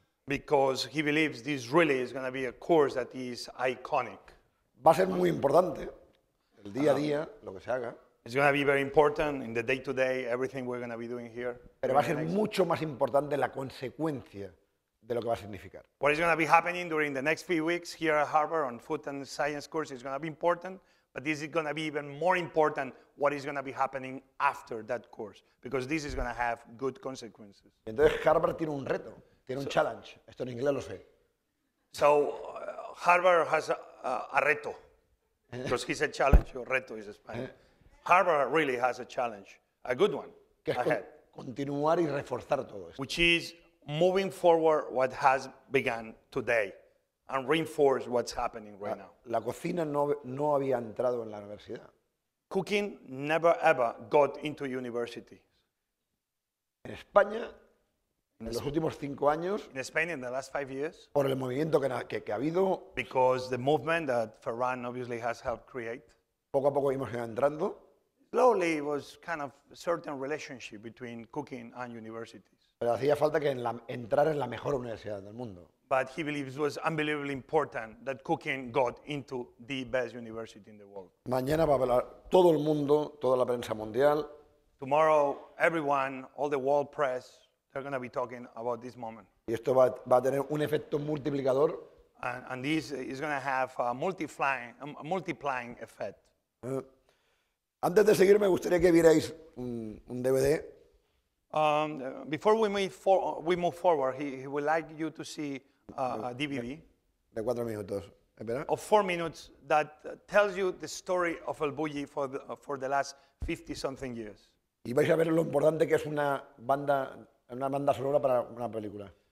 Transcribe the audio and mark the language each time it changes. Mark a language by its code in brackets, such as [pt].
[en] Because he believes this really is going to be a course that is iconic. [es] Va a ser muy importante, el día a día, lo que se haga. [en] It's going to be very important in the day-to-day, everything we're going to be doing here. [es] Pero va a ser mucho más importante la consecuencia de lo que va a significar. [en] What is going to be happening during the next few weeks here at Harvard on food and science course is going to be important, but this is going to be even more important what is going to be happening after that course, because this is going to have good consequences. [es] Entonces Harvard tiene un reto, tiene un challenge. Esto en inglés lo sé. [en] So Harvard has a reto, because he's a challenge, your reto is Spanish. Harvard really has a challenge, a good one, [es] que es [en] ahead. [es] Continuar y reforzar todo esto. [en] Which is moving forward what has begun today and reinforce what's happening right now. [es] La cocina no había entrado en la universidad. [en] Cooking never ever got into university. [es] En España, en los últimos 5 años, [en] in Spain in the last 5 years, [es] por el movimiento que ha habido, [en] because the movement that Ferran obviously has helped create, [es] poco a poco íbamos entrando. [en] Slowly was kind of a certain relationship between cooking and universities. [es] Pero hacía falta que entrar en la mejor universidad del mundo. [en] But he believes it was unbelievably important that cooking got into the best university in the world. [es] Mañana va a hablar todo el mundo, toda la prensa mundial. [en] Tomorrow, everyone, all the world press, they're going to be talking about this moment. [es] Y esto va a tener un efecto multiplicador. [en] And this is going to have a multiplying effect. [es] Antes de seguir, me gustaría que vierais un DVD. [en] Before we move forward, he would like you to see a DVD. [es] De 4 minutos. Espera. [en] Of 4 minutes that tells you the story of elBulli for the last 50-something years. [es] Y vais a ver lo importante que es una banda sonora para una película.